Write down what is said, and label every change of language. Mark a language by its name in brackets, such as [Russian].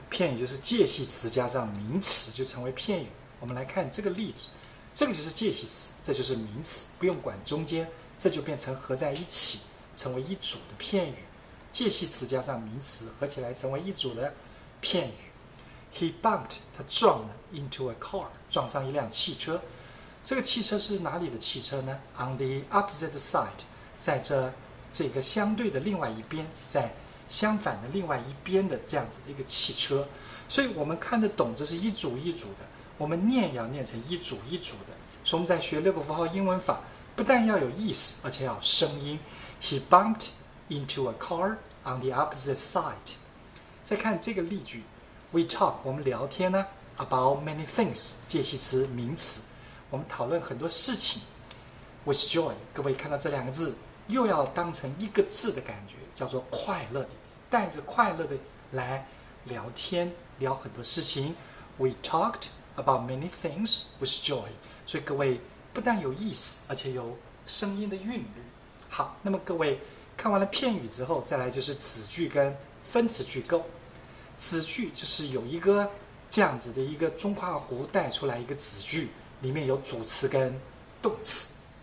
[Chinese] 片语就是介系词加上名词就成为片语。我们来看这个例子，这个就是介系词，这就是名词，不用管中间，这就变成合在一起，成为一组的片语。介系词加上名词合起来成为一组的片语。 [English] He bumped [Chinese] 他撞了 [English] into a car [Chinese] 撞上一辆汽车。这个汽车是哪里的汽车呢？ [English] On the opposite side， [Chinese] 在这个相对的另外一边，在相反的另外一边的这样子的一个汽车，所以我们看得懂，这是一组一组的，我们念要念成一组一组的。所以我们在学六个符号英文法，不但要有意思，而且要声音。 [English] He bumped into a car on the opposite side。 [Chinese] 再看这个例句， [English] We talk [Chinese] 我们聊天呢， [English] about many things [Chinese] 介系词名词，我们讨论很多事情。 [English] With joy， [Chinese] 各位看到这两个字。又要当成一个字的感觉，叫做快乐的，带着快乐的来聊天，聊很多事情。 [English] We talked about many things with joy。 [Chinese] 所以各位不但有意思，而且有声音的韵律。好，那么各位看完了片语之后，再来就是子句跟分词句构。子句就是有一个这样子的一个中括弧带出来一个子句，里面有主词跟动词。